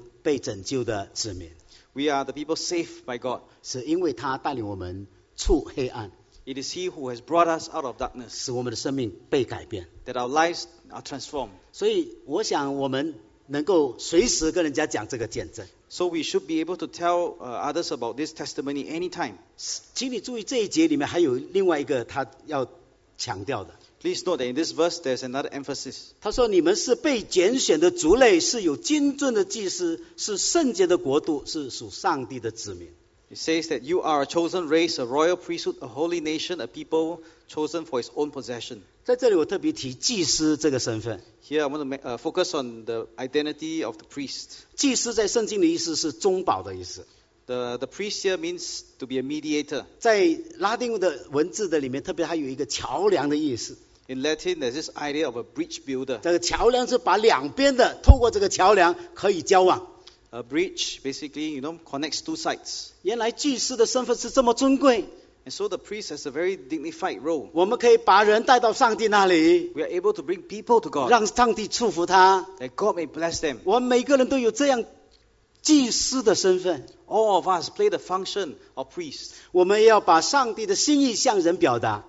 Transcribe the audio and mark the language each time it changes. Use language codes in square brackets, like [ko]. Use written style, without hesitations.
[zh] 原来我们是主耶稣基督被拯救的子民。 [en] We are the people saved by God. [zh] 是因为他带领我们出黑暗。 [en] It is He who has brought us out of darkness. [zh] 使我们的生命被改变。 [en] That our lives are transformed. [zh] 所以我想我们能够随时跟人家讲这个见证。 [en] So we should be able to tell others about this testimony anytime. [zh] 请你注意这一节里面还有另外一个他要强调的。 [en] Please note that in this verse there's another emphasis. [zh] 他说你们是被拣选的族类，是有金尊的祭司，是圣洁的国度，是属上帝的子民。 [en] It says that you are a chosen race, a royal priesthood, a holy nation, a people chosen for his own possession. Here I want to focus on the identity of the priest. The priest here means to be a mediator. In Latin, there's this idea of a bridge builder. [zh] 这个桥梁是把两边的，透过这个桥梁可以交往。 [en] A bridge, basically, you know, connects two sides. [zh] 原来祭司的身份是这么尊贵。 [en] And so the priest has a very dignified role. [zh] 我们可以把人带到上帝那里。 [en] We are able to bring people to God. [zh] 让上帝祝福他。 [en] That God may bless them. [zh] 我们每个人都有这样祭司的身份。 [en] All of us play the function of priest. [zh] 我们要把上帝的心意向人表达。